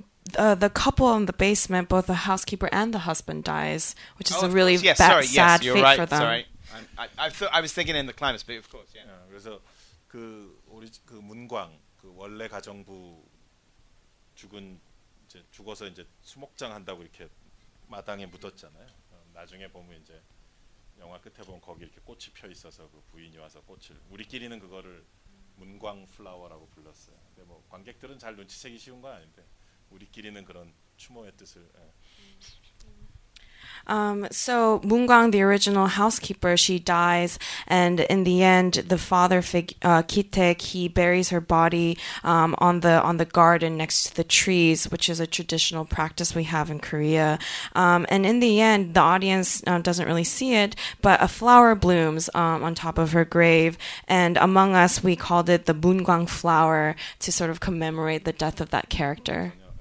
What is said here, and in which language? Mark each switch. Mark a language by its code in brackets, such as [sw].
[en] The couple in the basement, both the housekeeper and the husband, dies, which is a really sad fate right, for them. Sorry, I was thinking in the climax, but of course, yeah. [ko] 그래서 그 우리 그 문광 그 원래 가정부 죽은 이제 죽어서 이제 수목장 한다고 이렇게 마당에 묻었잖아요. 나중에 보면 이제 영화 끝에 보면 거기 이렇게 꽃이 펴 있어서 그 부인이 와서 꽃을 우리끼리는 그거를 문광 플라워라고 불렀어요. 근데 뭐 관객들은 잘 눈치채기 쉬운 건 아닌데. 우리끼리는 그런 추모의 뜻을. 예. [en] So Moon Gwang, the original housekeeper, she dies, and in the end, the father Ki-taek, he buries her body on the garden next to the trees, which is a traditional practice we have in Korea. And in the end, the audience doesn't really see it, but a flower blooms on top of her grave, and among us, we called it the Moon Gwang flower to sort of commemorate the death of that character.